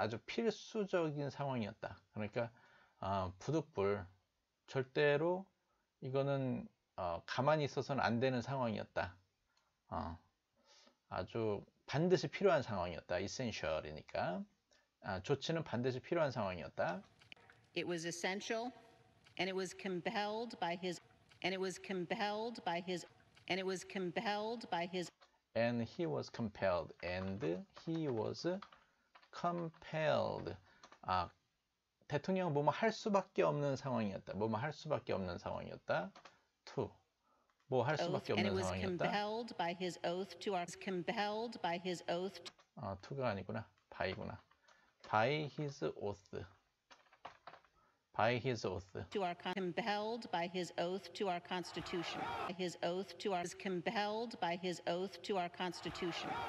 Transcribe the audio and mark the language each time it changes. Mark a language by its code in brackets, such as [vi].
[ko] 아주 필수적인 상황이었다. 그러니까 부득불 절대로 이거는 가만히 있어서는 안 되는 상황이었다. 아주 반드시 필요한 상황이었다. essential이니까. 조치는 반드시 필요한 상황이었다. [en] It was essential and it was compelled by his and it was compelled by his and it was compelled by his and he was compelled and he was compelled [ko] 대통령은 뭐뭐 할 수밖에 없는 상황이었다. 뭐뭐 할 수밖에 없는 상황이었다. to 뭐 할 수밖에 없는 상황이었다. [en] And he was compelled by his oath to our compelled by his oath to [ko] 투가 아니구나. [en] by구나. by his oath. by his oath. to our compelled by his oath to our constitution. his oath to our compelled by his oath to our constitution.